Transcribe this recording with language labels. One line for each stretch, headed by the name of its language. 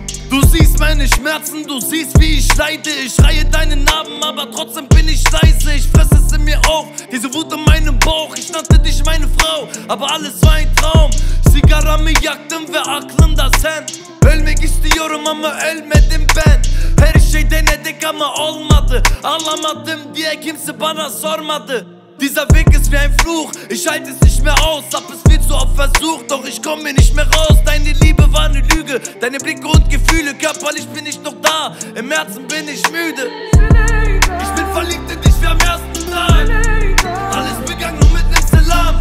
German: Du siehst meine Schmerzen, du siehst, wie ich leide. Ich schreie deinen Namen, aber trotzdem bin ich leise. Ich fress es in mir auf, diese Wut in meinem Bauch. Ich nannte dich meine Frau, aber alles war ein Traum.
Turkish: Sigara mi yaktım ve aklımda sen. Ölmek istiyorum ama ölmedim ben. Her şey denedik ama olmadı. Anlamadım diye kimse bana sormadı.
German: Dieser Weg ist wie ein Fluch, ich halte es nicht mehr aus. Hab es viel zu oft versucht, doch ich komme nicht mehr raus. Deine Liebe war eine Lüge, deine Blicke und Gefühle. Körperlich bin ich noch da, im Herzen bin ich müde. Ich bin verliebt in dich wie am ersten Tag. Alles begann nur mit einem Salam.